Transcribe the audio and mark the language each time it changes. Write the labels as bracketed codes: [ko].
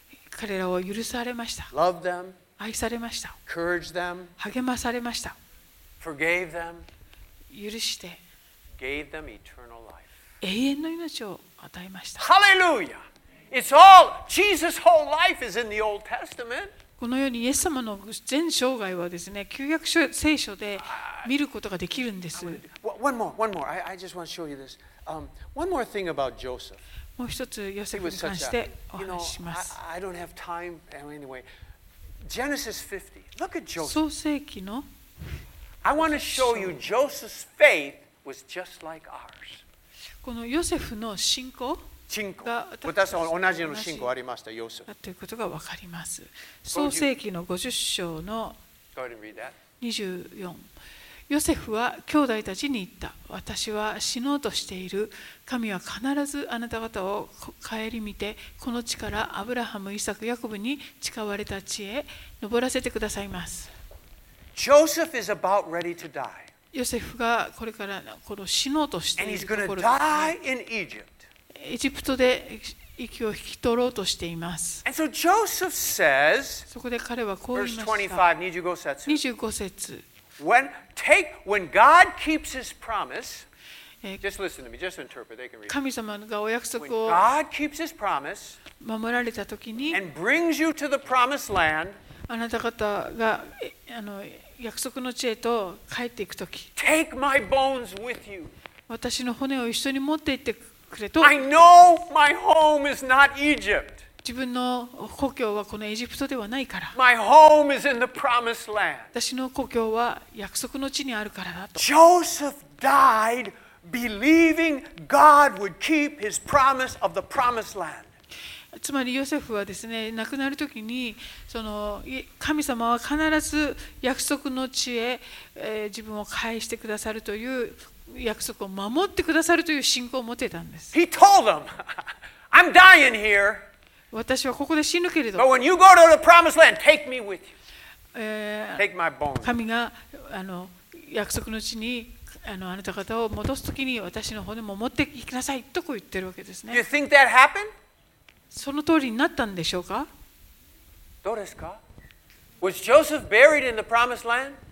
[ja] 彼らを許されました。愛されました。励まされました。許して、永遠の命を与えました。ハレルヤ。 [en] It's all Jesus' whole life is in the Old Testament. [ja] このようにイエス様の全生涯はですね、旧約聖書で見ることができるんです。 [en] One more. I just want to show you this. One more thing about Joseph. [ja] もう一つヨセフに関してお話しします。 [en] I don't have time. Anyway, Genesis 50. Look at Joseph. [ja] 創世記の。 [en] I want to show you Joseph's faith was just like ours. [ja] このヨセフの信仰。私は同じような信仰がありました、ヨセフ。ということが分かります。創世記の50章の24。ヨセフは兄弟たちに言った。私は死のうとしている。神は必ずあなた方を顧みて、この地からアブラハム、イサク、ヤコブに誓われた地へ登らせてくださいます。 [en] Joseph is about ready to die. [ja] ヨセフがこれからこの死のうとしているところです。 [en] And he's going to die in Egypt. [ja] エジプトで息を引き取ろうとしています。 [en] And so Joseph says, [ja] そこで彼はこう言いました。 25節。 [en] When God keeps his promise, just listen to me, just interpret, they can read. [ja] 神様がお約束を [en] God keeps his promise, [ja] 守られたときに、 [en] and brings you to the promised land, [ja] あなた方が約束の地へと帰っていくとき、 [en] take my bones with you. [ja] 私の骨を一緒に持って行ってくれと。 [en] I know my home is not Egypt. [ja] 自分の故郷はこのエジプトではないから。 [en] My home is in the promised land. [ja] 私の故郷は約束の地にあるからだと。 [en] Joseph died believing God would keep his promise of the promised land. [ja] つまりヨセフはですね、亡くなるときにその神様は必ず約束の地へ、自分を返してくださるという約束を守ってくださるという信仰を持てたんです。 [en] He told them, I'm dying here. [ja] 私はここで死ぬけれど。 [en] But when you go to the promised land, take me with you. Take my bones. [ja] 神が約束の地にあなた方を戻すときに私の骨も持っていきなさいとこう言ってるわけですね。 [en] You think that happened? [ja] その通りになったんでしょうか。どうですか。 [en] Was Joseph buried in the promised land?